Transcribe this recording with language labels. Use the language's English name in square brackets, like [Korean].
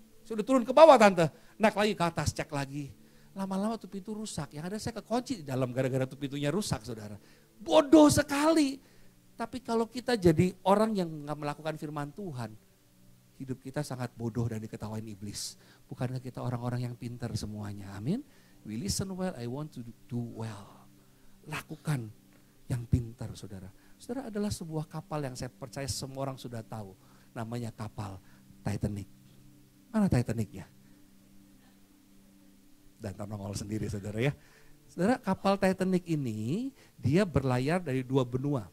[Indonesian] Sudah turun ke bawah tante, naik lagi ke atas, cek lagi. Lama-lama tuh pintu rusak, yang ada saya kekunci di dalam gara-gara tuh pintunya rusak saudara. Bodoh sekali. Tapi kalau kita jadi orang yang gak melakukan firman Tuhan, hidup kita sangat bodoh dan diketawain iblis. Bukankah kita orang-orang yang pintar semuanya, amin. [English] We listen well, I want to do well. [Indonesian] Lakukan yang pintar saudara. Saudara adalah sebuah kapal yang saya percaya semua orang sudah tahu. Namanya kapal Titanic. Mana Titanic-nya? Dan nongol sendiri saudara ya. Saudara, kapal Titanic ini dia berlayar dari dua benua.